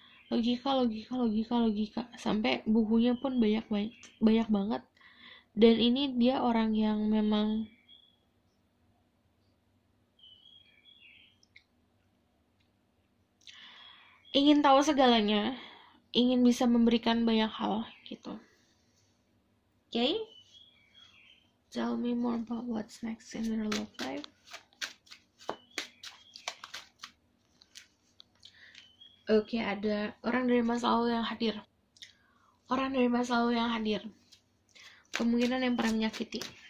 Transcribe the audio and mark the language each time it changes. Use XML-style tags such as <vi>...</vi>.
<id>Logika, logika, logika, logika. Sampai bukunya pun banyak, banyak banget. Dan ini dia orang yang memang ingin tahu segalanya, ingin bisa memberikan banyak hal gitu.</id> <en>Okay? Tell me more about what's next in your love life.</en> <id>Okay, ada orang dari masa lalu yang hadir. Orang dari masa lalu yang hadir. Kemungkinan yang pernah menyakiti.</id>